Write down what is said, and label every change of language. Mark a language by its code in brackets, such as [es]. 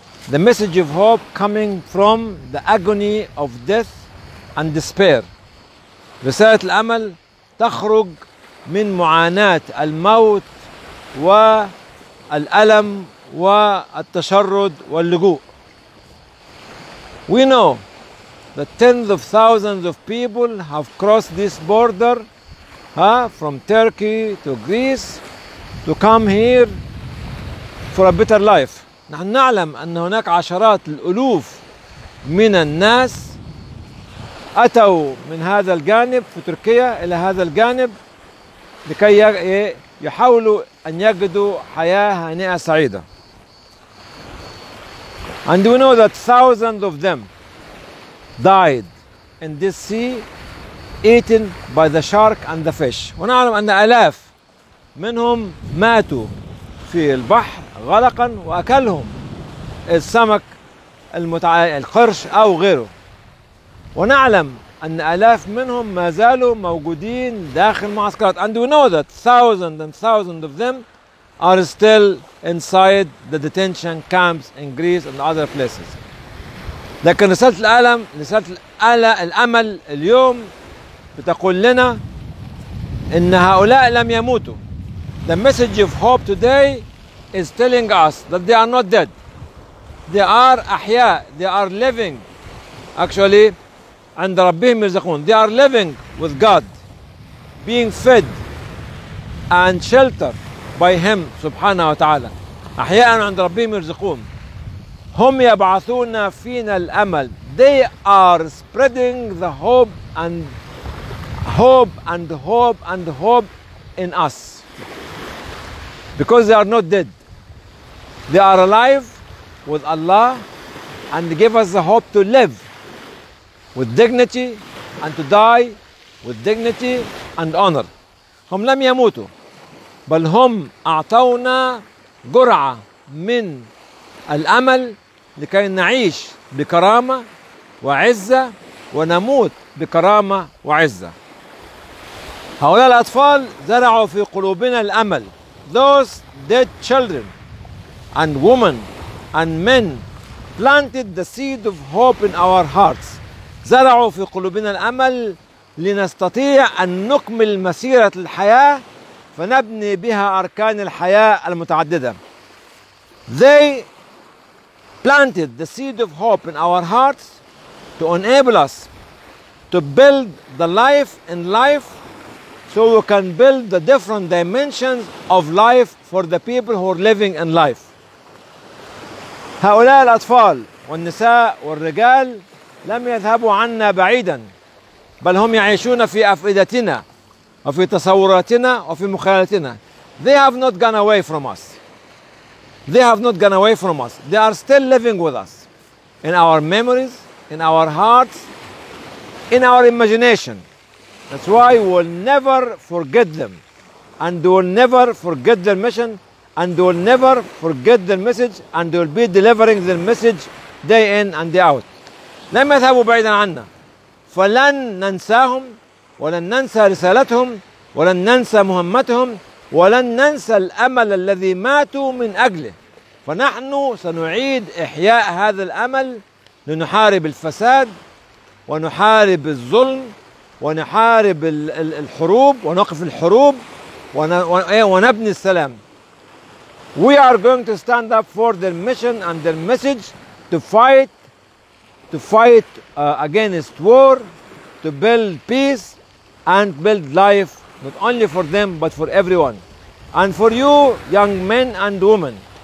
[en] The message of hope coming from the agony of death and despair. [ar] رسالة الأمل تخرج من معاناة الموت والألم والتشرد واللجوء. [en] We know that tens of thousands of people have crossed this border from Turkey to Greece to come here for a better life. [ar] نحن نعلم أن هناك عشرات الألوف من الناس أتوا من هذا الجانب في تركيا إلى هذا الجانب لكي يحاولوا أن يجدوا حياة هنيئة سعيدة. [en] And we know that thousands of them died in this sea eaten by the shark and the fish. [ar] ونعلم أن آلاف منهم ماتوا في البحر غرقا وأكلهم السمك القرش أو غيره. ونعلم أن آلاف منهم ما زالوا موجودين داخل المعسكرات. [en] And we know that thousands and thousands of them are still inside the detention camps in Greece and other places. [ar] لكن رسالة الأمل اليوم بتقول لنا إن هؤلاء لم يموتوا. [en] The message of hope today is telling us that they are not dead. They are [ar] أحياء. [en] They are living. Actually, [ar] عند ربهم يرزقون. [en] They are living with God, being fed and sheltered by him [ar] سبحانه وتعالى. أحياء عند ربهم يرزقون. هم يبعثون فينا الأمل. [en] They are spreading the hope and hope and hope and hope in us. Because they are not dead. They are alive with Allah and give us the hope to live with dignity and to die with dignity and honor. [ar] هم لم يموتوا. بل هم أعطونا جرعة من الأمل لكي نعيش بكرامة وعزة ونموت بكرامة وعزة. هؤلاء الأطفال زرعوا في قلوبنا الأمل. [en] Those dead children and women and men planted the seed of hope in our hearts. [ar] زرعوا في قلوبنا الأمل لنستطيع أن نكمل مسيرة الحياة فنبني بها أركان الحياة المتعددة. [en] They planted the seed of hope in our hearts to enable us to build the life in life so we can build the different dimensions of life for the people who are living in life. [ar] هؤلاء الأطفال والنساء والرجال لم يذهبوا عنا بعيدا بل هم يعيشون في أفئدتنا وفي تصوراتنا وفي مخيلتنا. [en] They have not gone away from us. They have not gone away from us. They are still living with us. In our memories, in our hearts, in our imagination. That's why we will never forget them. And we will never forget their mission. And we will never forget their message. And they will be delivering their message day in and day out. [ar] لم يذهبوا بعيدا عنا. فلن ننساهم. ولن ننسى رسالتهم ولن ننسى مهمتهم ولن ننسى الأمل الذي ماتوا من أجله. فنحن سنعيد إحياء هذا الأمل لنحارب الفساد ونحارب الظلم ونحارب الحروب ونقف الحروب ونبني السلام. [en] We are going to stand up for their mission and their message to fight against war, to build peace and build life not only for them but for everyone and for you young men and women.